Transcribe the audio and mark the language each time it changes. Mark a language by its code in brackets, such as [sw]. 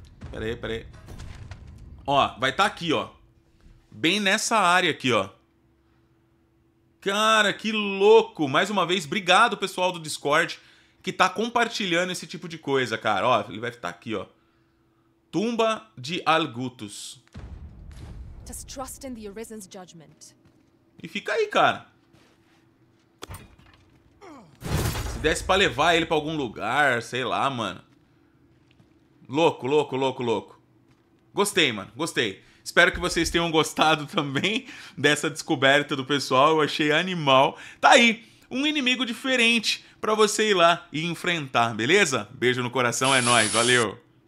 [pt] Pera aí, pera aí. Ó, vai estar aqui, ó. Bem nessa área aqui, ó. Cara, que louco. Mais uma vez, obrigado, pessoal do Discord, que tá compartilhando esse tipo de coisa, cara. Ó, ele vai estar aqui, ó. Tumba de Al-Ghutus. [en] Just trust in the Arisen's judgment. [pt] E fica aí, cara. Se desse pra levar ele pra algum lugar, sei lá, mano. Louco, louco, louco, louco. Gostei, mano. Gostei. Espero que vocês tenham gostado também dessa descoberta do pessoal. Eu achei animal. Tá aí. Um inimigo diferente pra você ir lá e enfrentar, beleza? Beijo no coração. É nóis. Valeu.